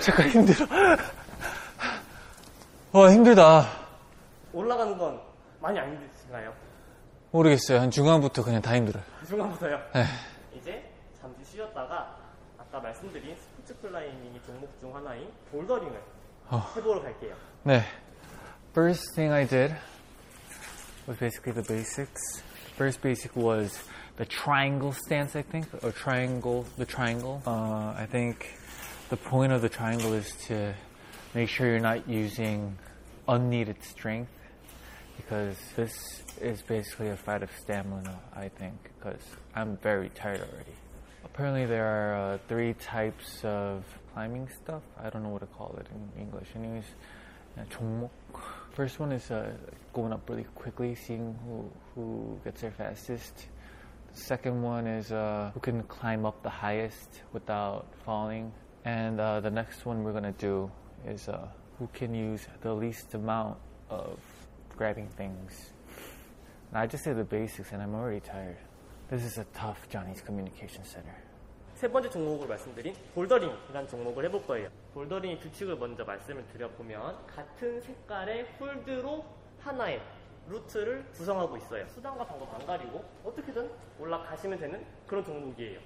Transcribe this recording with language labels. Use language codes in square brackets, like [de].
[ko] 잠깐 힘들어. 와 힘들다. 올라가는 건 많이 안 힘드신가요? 모르겠어요. 한 중간부터 그냥 다 힘들어요. 중간부터요? 네. 이제 잠시 쉬었다가 아까 말씀드린 스포츠 스트 클라이밍이 종목 중 하나인 볼더링을 해보러 갈게요. 네. [en] First thing I did was basically the basics. First basic was the triangle stance, I think, or triangle, the triangle. I think the point of the triangle is to make sure you're not using unneeded strength, because this is basically a fight of stamina, I think, because I'm very tired already. Apparently there are three types of climbing stuff. I don't know what to call it in English. Anyways, 종목. First one is going up really quickly, seeing who gets there fastest. The second one is who can climb up the highest without falling. And the next one we're gonna do is who can use the least amount of grabbing things. And I just did the basics and I'm already tired. This is a tough Johnny's Communication Center. [ko] 세 번째 종목을 말씀드린 볼더링이라는 종목을 해볼 거예요. 볼더링의 규칙을 먼저 말씀을 드려보면 같은 색깔의 홀드로 하나의 루트를 구성하고 있어요. 수단과 방법 안 가리고 어떻게든 올라가시면 되는 그런 종목이에요.